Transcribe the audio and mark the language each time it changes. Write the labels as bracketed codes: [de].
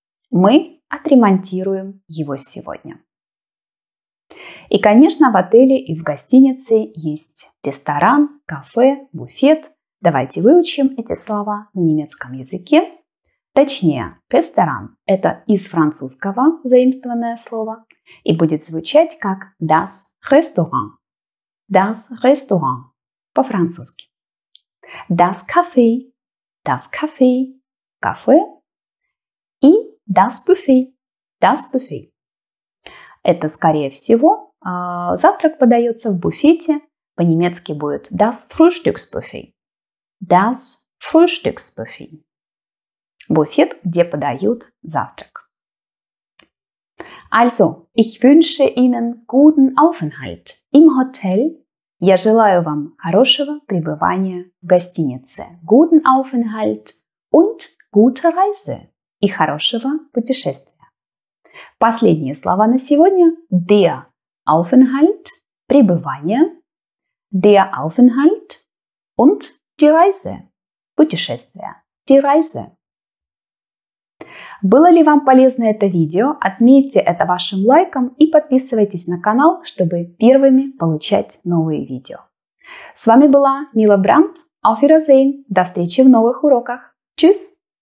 [ru] Мы отремонтируем его сегодня. И, конечно, в отеле и в гостинице есть ресторан, кафе, буфет. Давайте выучим эти слова на немецком языке. Точнее, ресторан – это из французского заимствованное слово и будет звучать как das Restaurant. [de] Das Restaurant – [ru] по-французски. [de] Das Café – das Café – [ru] кафе. [de] И das Buffet – das Buffet. [ru] Это, скорее всего, завтрак подается в буфете. По-немецки будет das Frühstücksbuffet. [de] Das Frühstücksbuffet. [ru] Buffet, где подают завтрак. [de] Also, ich wünsche Ihnen guten Aufenthalt im Hotel. [ru] Я желаю вам хорошего пребывания в гостинице. [de] Guten Aufenthalt und gute Reise. [ru] И хорошего путешествия. Последние слова на сегодня. [de] Der Aufenthalt, [ru] пребывание. [de] Der Aufenthalt und die Reise. [ru] Путешествие. [de] Die Reise. [ru] Было ли вам полезно это видео? Отметьте это вашим лайком и подписывайтесь на канал, чтобы первыми получать новые видео. С вами была Мила Брандт, [de] Auf Wiedersehen. [ru] До встречи в новых уроках. [de] Tschüss!